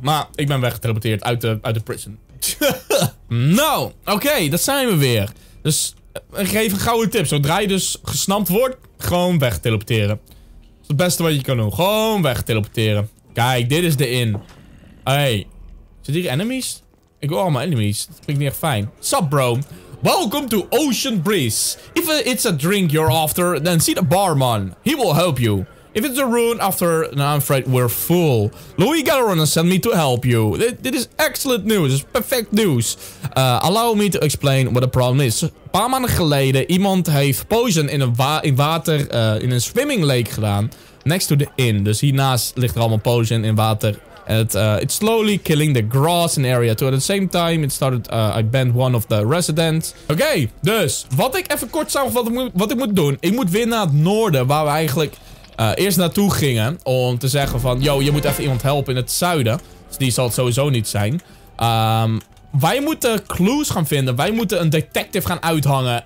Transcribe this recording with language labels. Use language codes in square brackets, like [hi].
[nl] Maar ik ben weggeteleporteerd uit de prison. Nou, oké. Daar zijn we weer. Dus geef een gouden tip. Zodra je dus gesnapt wordt, gewoon wegteleporteren. Dat is het beste wat je kan doen. Gewoon wegteleporteren. Kijk, dit is de in. Hey, zit hier enemies? Ik wil allemaal enemies. Dat klinkt niet echt fijn. [en] Sup, bro. Welcome to Ocean Breeze. If it's a drink you're after, then see the barman. He will help you. If it's a rune after, then I'm afraid we're full. Louis Galarona sent me to help you. This is excellent news. It's perfect news. Allow me to explain what the problem is. [nl] Een paar maanden geleden, iemand heeft poison in een [en] swimming lake [nl] gedaan. [en] Next to the inn. [nl] Dus hiernaast ligt er allemaal poison in water. [en] It's slowly killing the grass in the area. Too. At the same time, it started. I banned one of the residents. [nl] Oké, dus wat ik even kort zou wat ik moet doen. Ik moet weer naar het noorden, waar we eigenlijk eerst naartoe gingen. Om te zeggen van, yo, je moet even iemand helpen in het zuiden. Dus die zal het sowieso niet zijn. Wij moeten clues gaan vinden. Wij moeten een detective gaan uithangen.